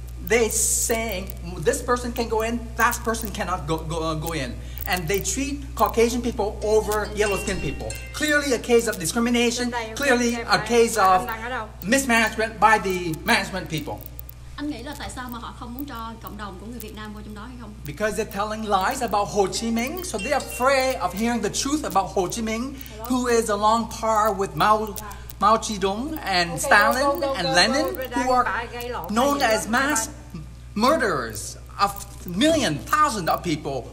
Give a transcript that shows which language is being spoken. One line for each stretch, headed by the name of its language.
English: They saying this person can go in, that person cannot go in, and they treat Caucasian people over yellow skin people. Clearly a case of discrimination, clearly a case of mismanagement by the management people.
Vietnamese: Anh nghĩ là tại sao mà họ không muốn cho cộng đồng của người Việt Nam vô trong đó hay không?
English: Because they're telling lies about Hồ Chí Minh, so they're afraid of hearing the truth about Hồ Chí Minh, who is along par with Mao Zedong and Stalin and Lenin, who are known as mass murderers of millions, thousands of people.